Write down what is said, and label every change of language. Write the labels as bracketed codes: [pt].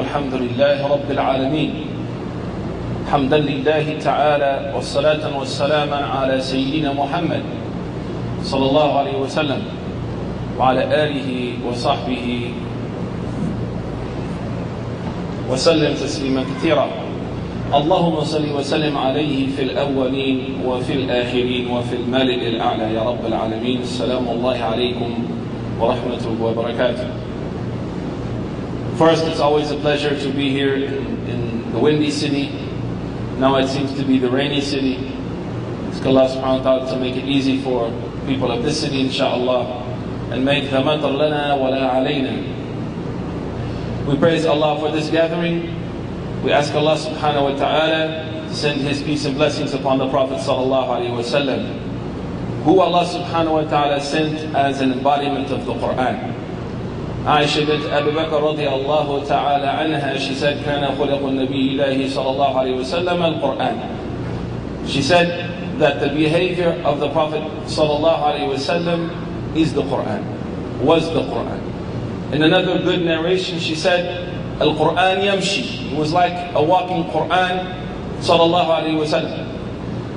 [ar] الحمد لله رب العالمين، حمدا لله تعالى، والصلاة والسلام على سيدنا محمد صلى الله عليه وسلم وعلى آله وصحبه وسلم تسليما كثيرا. اللهم صل وسلم عليه في الأولين وفي الآخرين وفي الملأ الأعلى يا رب العالمين. السلام الله عليكم ورحمة الله وبركاته. [en] First, it's always a pleasure to be here in the windy city. Now it seems to be the rainy city. Ask Allah subhanahu wa ta'ala to make it easy for people of this city, inshaAllah, and make the [ar] matar lana wa la alayna. [en] We praise Allah for this gathering. We ask Allah subhanahu wa ta'ala to send His peace and blessings upon the Prophet sallallahu alayhi wa sallam, who Allah subhanahu wa ta'ala sent as an embodiment of the Qur'an. [ar] عائشة بنت أبي بكر رضي الله تعالى عنها, [en] she said, [ar] كان خلق النبي الله صلى الله عليه وسلم القرآن. [en] She said that the behavior of the Prophet [ar] صلى الله عليه وسلم [en] is the Quran, was the Quran. In another good narration, she said, [ar] القرآن يمشي. [en] It was like a walking Quran [ar] صلى الله عليه وسلم.